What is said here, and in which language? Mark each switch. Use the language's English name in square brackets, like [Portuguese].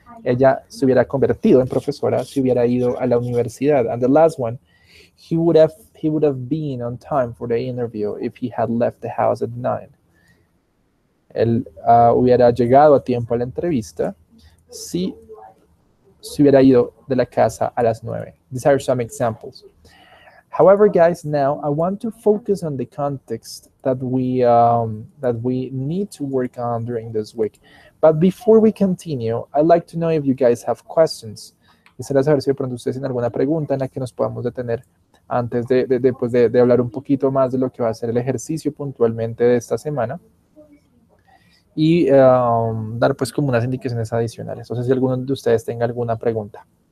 [Spanish] Ella se hubiera convertido en profesora si hubiera ido a la universidad. [English] And the last one, he would have been on time for the interview if he had left the house at 9. [Spanish] Él hubiera llegado a tiempo a la entrevista si se hubiera ido de la casa a las 9. [English] These are some examples. However, guys, now I want to focus on the context that we need to work on during this week. But before we continue, I'd like to know if you guys have questions. [Spanish] Quisiera saber si de pronto ustedes tienen alguna pregunta en la que nos podamos detener antes de hablar un poquito más de lo que va a ser el ejercicio puntualmente de esta semana. Y dar pues como unas indicaciones adicionales. O sea, si alguno de ustedes tenga alguna pregunta.